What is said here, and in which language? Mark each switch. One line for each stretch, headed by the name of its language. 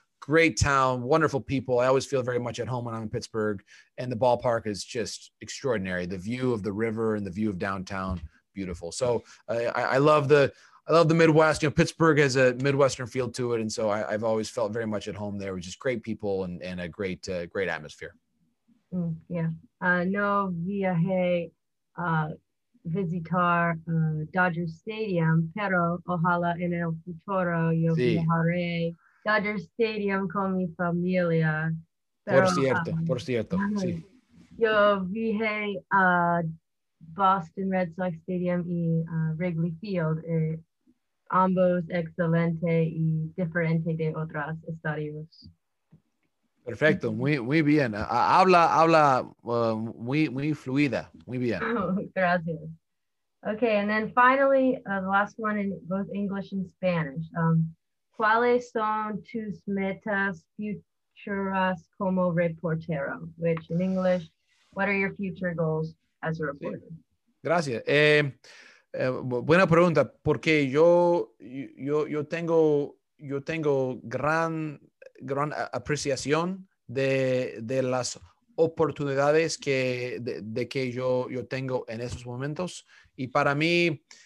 English: Great town, wonderful people. I always feel very much at home when I'm in Pittsburgh. And the ballpark is just extraordinary. The view of the river and the view of downtown, beautiful. So I love the Midwest. You know, Pittsburgh has a Midwestern feel to it. And so I've always felt very much at home there, which is great people and a great, great atmosphere.
Spanish: No viaje visitar Dodger Stadium, pero ojalá en el futuro yo viajaré Dodger Stadium con mi familia. Por cierto. Sí. Yo viaje a Boston Red Sox Stadium y Wrigley Field. Ambos excelente y diferente de otros estadios. Perfecto, muy bien. Habla muy fluida, muy bien. Gracias.
English: Okay, and then finally, the last one in both English and Spanish.
Spanish: ¿Cuáles son tus metas futuras como reportero?
English: Which in English, what are your future goals as a reporter?
Spanish: Sí. Gracias. Buena pregunta, porque yo tengo gran apreciación de las oportunidades que yo tengo en esos momentos, y para mí